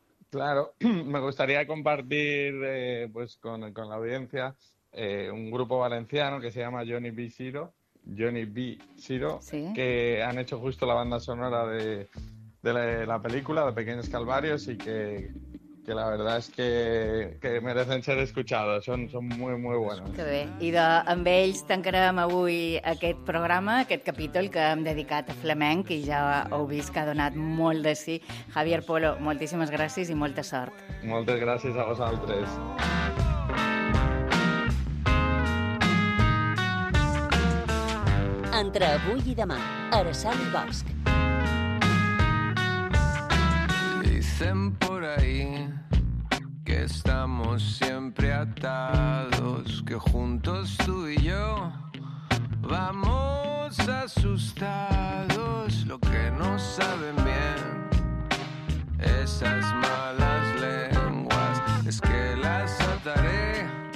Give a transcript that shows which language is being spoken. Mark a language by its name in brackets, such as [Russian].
[Spanish] Claro, me gustaría compartir pues con la audiencia un grupo valenciano que se llama Johnny B. Zero, Johnny B. Zero, Sí. que han hecho justo la banda sonora de la película de Pequeños Calvarios y que la verdad es que merecen ser escuchados, son muy, muy [Catalan] Que [Spanish] buenos. [Catalan] bé. Idò, amb ells tancarem avui aquest programa, aquest capítol que hem dedicat a flamenc i ja heu vist que ha donat molt de si. Javier Polo, moltíssimes gràcies i molta sort. Moltes gràcies a vosaltres. Entre avui i demà, Araceli Bosch. [Spanish] Dicen por ahí que estamos siempre atados, que juntos tú y yo vamos asustados. Lo que no saben bien esas malas lenguas es que las ataré.